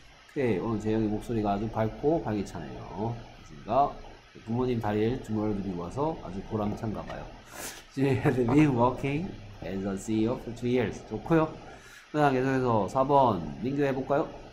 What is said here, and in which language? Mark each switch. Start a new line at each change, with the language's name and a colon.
Korean: Okay, 오늘 재영이 목소리가 아주 밝고 활기차네요. 그렇습니까? 부모님 다리를 주물러드리고 와서 아주 보람찬가 봐요.
English: She had been working as a CEO for 2 years.
Korean: 좋고요. 그냥 계속해서 4번 민규 해볼까요?